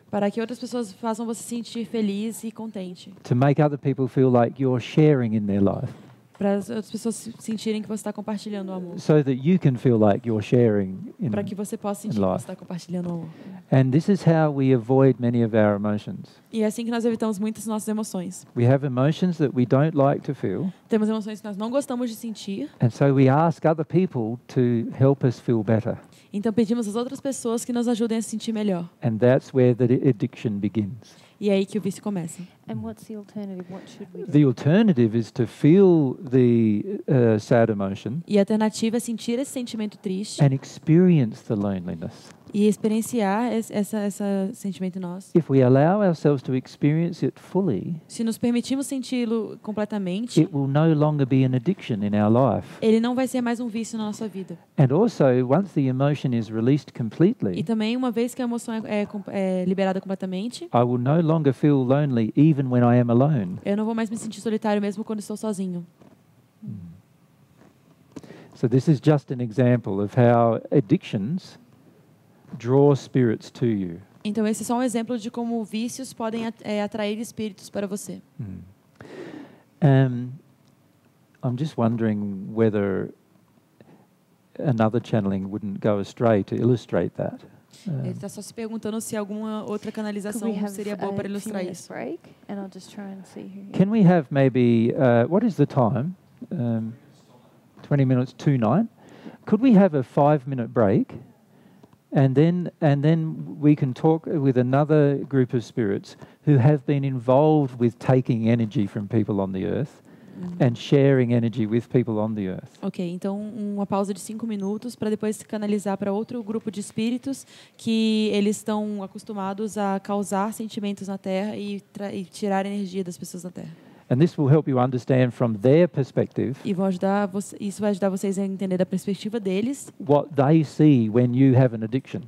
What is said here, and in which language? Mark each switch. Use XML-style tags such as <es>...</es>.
<pt>Para que outras pessoas façam você sentir feliz e contente.</pt> <en>To make other people feel like you're sharing in their life.</en> <pt>Para as outras pessoas sentirem que você está compartilhando o amor.</pt> <en>So that you can feel like you're sharing in life.</en> <pt>Para que você possa sentir que você está compartilhando o amor.</pt> <en>And this is how we avoid many of our emotions.</en> <pt>E é assim que nós evitamos muitas nossas emoções.</pt> <en>We have emotions that we don't like to feel.</en> <pt>Temos emoções que nós não gostamos de sentir.</pt> <en>And so we ask other people to help us feel better.</en> <pt>Então pedimos às outras pessoas que nos ajudem a sentir melhor.</pt> <en>And that's where the addiction begins.</en> <pt>E é aí que o vício começa.</pt> <en>And what's the alternative? What should we do? The alternative is to feel the sad emotion.</en> <pt>E a alternativa é sentir esse sentimento triste.</pt> <en>And experience the loneliness.</en> <pt>E experienciar esse sentimento nosso.</pt> <en>If we allow ourselves to experience it fully.</en> <pt>Se nos permitimos senti-lo completamente.</pt> <en>It will no longer be an addiction in our life.</en> <pt>Ele não vai ser mais um vício na nossa vida.</pt> <en>And also, once the emotion is released completely.</en> <pt>E também uma vez que a emoção é liberada completamente.</pt> <en>I will no longer feel lonely even when I am alone.</en> <pt>Eu não vou mais me sentir solitário mesmo quando estou sozinho.</pt> <en>So this is just an example of how addictions draw spirits to you.</en> <pt>Então esse é só um exemplo de como vícios podem atrair espíritos para você.</pt> <en>I'm just wondering whether another channeling wouldn't go astray to illustrate that.</en> <pt>Ele está só se perguntando se alguma outra canalização seria boa para ilustrar isso.</pt> <en>And I'll just try and see who. Can we have maybe what is the time? 20 minutes to 9. Could we have a 5-minute break? And then we can talk with another group of spirits who have been involved with taking energy from people on the earth and sharing energy with people on the earth.</en> <pt>Okay, então uma pausa de 5 minutos para depois canalizar para outro grupo de espíritos que eles estão acostumados a causar sentimentos na Terra e tirar energia das pessoas na Terra.</pt> <en>And this will help you understand from their perspective.</en> <pt>E isso vai ajudar vocês a entender da perspectiva deles.</pt> <en>What they see when you have an addiction.</en>